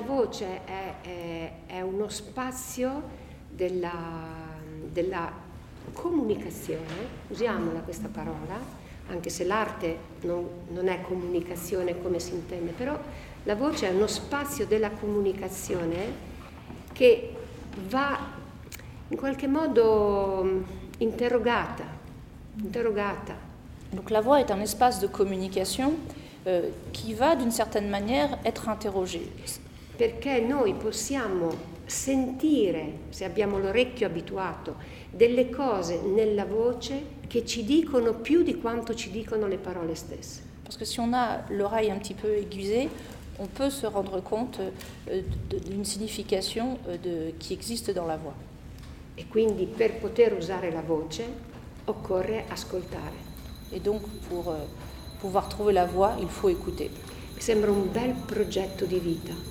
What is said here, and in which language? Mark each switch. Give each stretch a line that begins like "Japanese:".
Italian: Cioè è uno spazio della comunicazione, usiamola questa parola, anche se l'arte non è comunicazione come si intende, però la voce è uno spazio della comunicazione che va in qualche modo interrogata.
French: Donc la voix est un espace de communication qui va d'une certaine manière être interrogée.
Italian: Perché noi possiamo sentire, se abbiamo l'orecchio abituato, delle cose nella voce che ci dicono più di quanto ci dicono le parole stesse. Perché se
French: on a l'oreille un petit peu aiguisée, on peut se rendre compte d'une signification qui existe dans la voix.
Italian: E quindi per poter usare la voce occorre ascoltare.
French: E donc pour pouvoir trouver la voix, il faut écouter.
Italian: Sembra un bel progetto di vita.